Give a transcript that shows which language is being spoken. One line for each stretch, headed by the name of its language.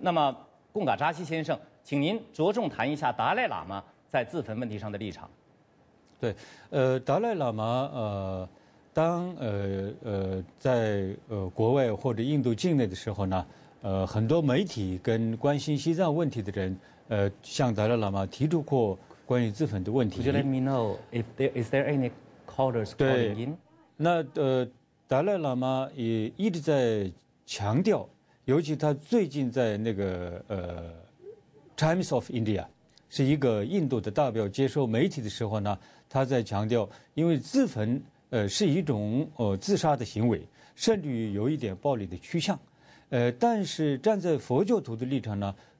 Chinese: 那么贡嘎扎西先生，请您着重谈一下达赖喇嘛在自焚问题上的立场。对，达赖喇嘛当在国外或者印度境内的时候呢，很多媒体跟关心西藏问题的人向达赖喇嘛提出过关于自焚的问题。
English: Could you let me know if there is there any callers calling in？
Chinese: 那达赖喇嘛也一直在强调，尤其他最近在那个Times of India， 是一个印度的大报接受媒体的时候呢，他在强调，因为自焚是一种自杀的行为，甚至于有一点暴力的趋向，但是站在佛教徒的立场呢，